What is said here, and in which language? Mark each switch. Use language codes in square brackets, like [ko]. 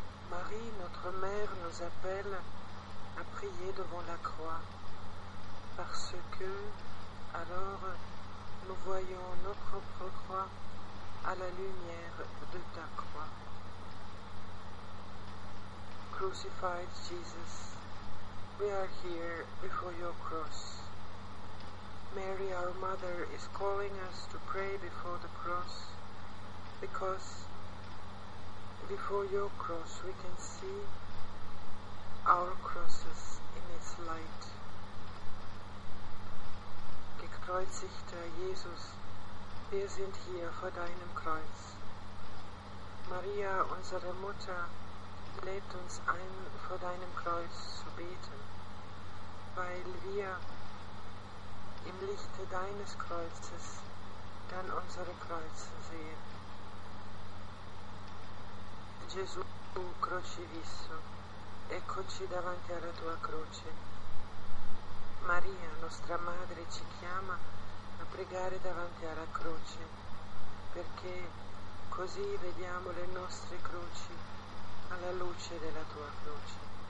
[fr] Marie, notre mère, nous appelle à prier devant la croix, parce que alors nous voyons nos propres croix à la lumière de ta croix. [en] Crucified Jesus, we are here before your cross. Mary, our mother, is calling us to pray before the cross, because before your cross we can see our crosses in its light. [de] Gekreuzigter Jesus, wir sind hier vor deinem Kreuz. Maria, unsere Mutter, lädt uns ein, vor deinem Kreuz zu beten, weil wir im Lichte deines Kreuzes dann unsere Kreuze sehen. [it] Gesù, tu crocifisso, eccoci davanti alla tua croce. Maria, nostra madre, ci chiama a pregare davanti alla croce, perché così vediamo le nostre croci alla luce della tua croce.